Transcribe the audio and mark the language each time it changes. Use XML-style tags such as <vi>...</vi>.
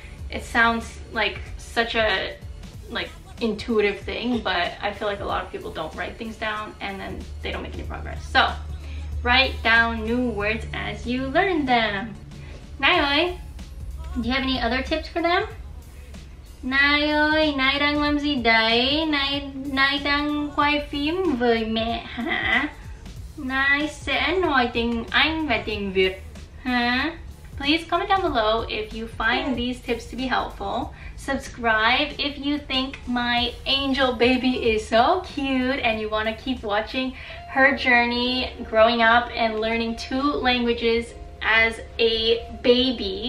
<en>It sounds like such a like intuitive thing, but I feel like a lot of people don't write things down and then they don't make any progress. So write down new words as you learn them. Nayoi, do you have any other tips for them?</en> <vi>Nayoi, nay đang làm gì đấy? Nay đang quay phim với mẹ hả? Nay sẽ nói tiếng Anh và tiếng Việt hả?</vi> <en>Please comment down below if you find these tips to be helpful. Subscribe if you think my angel baby is so cute and you want to keep watching her journey growing up and learning two languages as a baby.</en>